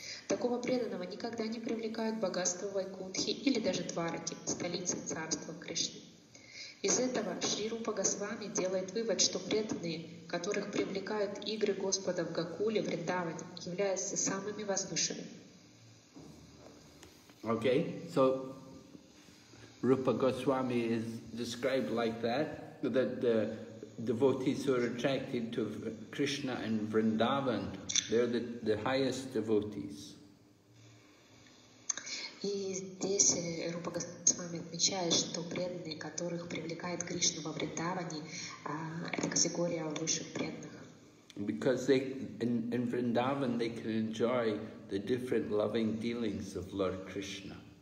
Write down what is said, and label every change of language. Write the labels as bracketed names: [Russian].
[Russian] Такого преданного никогда не привлекают богатство Вайкунтхи или даже Двараки, столицы царства Кришны. Из этого Шри Рупа Госвами делает вывод, что преданные, которых привлекают игры Господа в Гокуле, в Вриндаване, являются самыми возвышенными. [English] Okay, so Rupa Goswami is described like that, that the devotees who are attracted to Krishna and Vrindavan, they're the highest devotees. [Russian] И здесь Рупа Госвами отмечает, что преданные, которых привлекает Кришна во Вриндаване, это категория высших преданных. [English] Because they in Vrindavan they can enjoy the different loving dealings of Lord Krishna.